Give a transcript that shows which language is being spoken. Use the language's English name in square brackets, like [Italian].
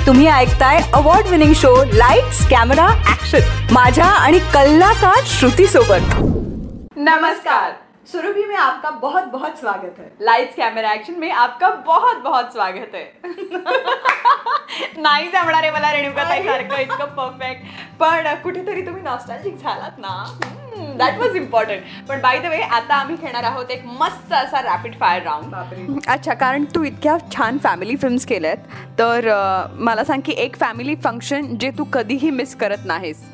[Marathi] तुम्ही ऐकताय award winning show lights camera action, माझ्या आणि कलाकार श्रुती सोबत. [Hindi] नमस्कार सुरभी, में आपका बहुत बहुत स्वागत है. लाइट्स कैमरा एक्शन में आपका बहुत बहुत स्वागत है. [Marathi] नाही जमणार आहे मला रेणुका ताई सारखं इतकं परफेक्ट, पण कुठेतरी तुम्ही नॉस्टॅल्जिक झालात ना, [English] That was important. [Marathi] पण बाय द वे, आता आम्ही खेळणार आहोत एक मस्त असा रॅपिड फायर राऊंड. अच्छा, कारण तू इतक्या छान फॅमिली फिल्म्स केल्यात, तर मला सांग की एक फॅमिली फंक्शन जे तू कधीही मिस करत नाहीस.